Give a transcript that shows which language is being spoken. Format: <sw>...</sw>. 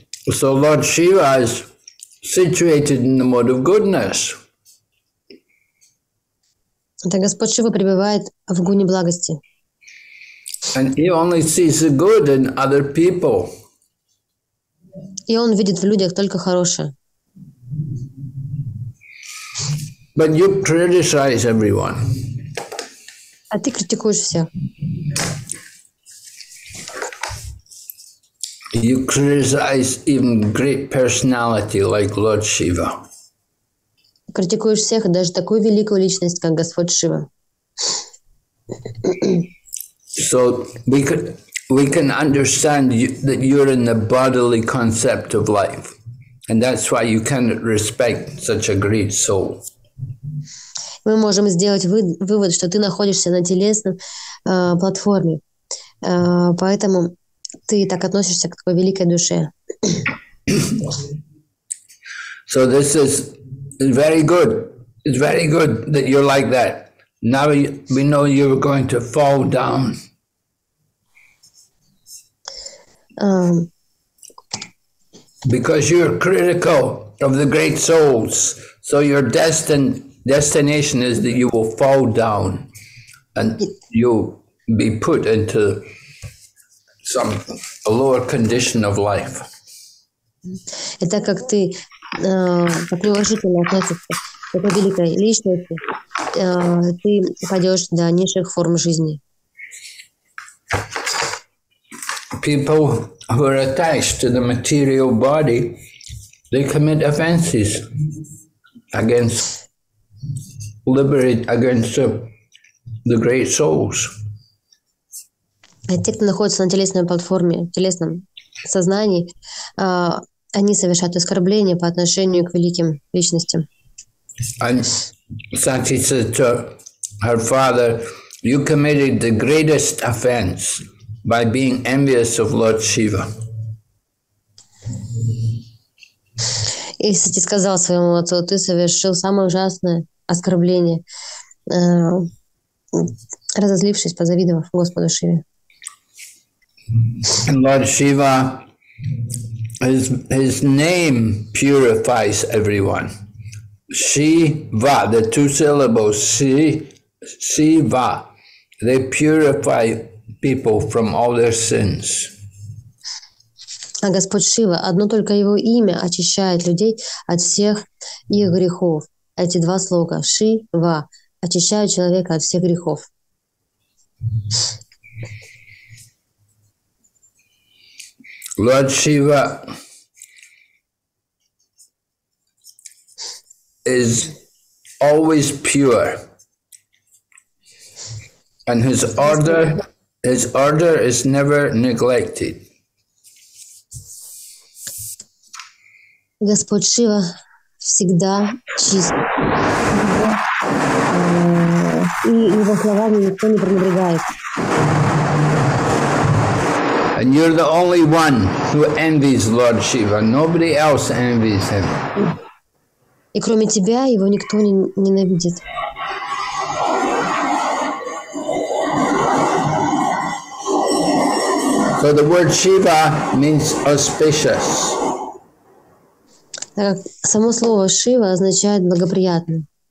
<en>So Lord Shiva is situated in the mode of goodness.</en> <ru>Это Господь Шива пребывает в гуне благости.</ru> <en>And he only sees the good in other people.</en> <ru>И он видит в людях только хорошее.</ru> <en>But you criticize everyone.</en> <ru>А ты критикуешь всех.</ru> <en>You criticize even great personality like Lord Shiva.</en> <ru>Критикуешь всех, даже такую великую личность, как Господь Шива.</ru> <en>So we can understand you, that you're in the bodily concept of life, and that's why you cannot respect such a great soul.</en> <ru>Мы можем сделать вывод, что ты находишься на телесном платформе, поэтому ты так относишься к такой великой душе.</ru> <en>So this is very good. It's very good that you're like that. Now we know you're going to fall down. Because you're critical of the great souls, so you're destined. Destination is that you will fall down and you'll be put into some a lower condition of life.</en> <ru>И так как ты приложительно относишься к такой великой личности, ты пойдешь до низших форм жизни.</ru> <en>People who are attached to the material body, they commit offenses against liberate against the great souls.</en> <ru>А те, кто находится на телесной платформе, в телесном сознании, они совершают оскорбления по отношению к великим личностям.</ru> <en>And Sati said to her father, "You committed the greatest offense by being envious of Lord Shiva."</en> <ru>И Сати сказал своему отцу, ты совершил самое ужасное оскорбление, разозлившись, позавидовав Господу Шиве.</ru> <en>And Lord Shiva, his name purifies everyone. Shiva, the two syllables, Shiva, they purify people from all their sins.</en> <ru>А Господь Шива, одно только его имя очищает людей от всех их грехов. Эти два слога Шива очищают человека от всех грехов.</ru> <en>Lord Shiva is always pure, and his order is never neglected.</en> <ru>Господь Шива всегда чист. И его словами никто не пренебрегает.</ru> <en>And you're the only one who envies Lord Shiva. Nobody else envies him.</en> <ru>И кроме тебя его никто не ненавидит.</ru> <en>So the word Shiva means auspicious.</en> <ru>Так как само слово Шива означает благоприятный.</ru>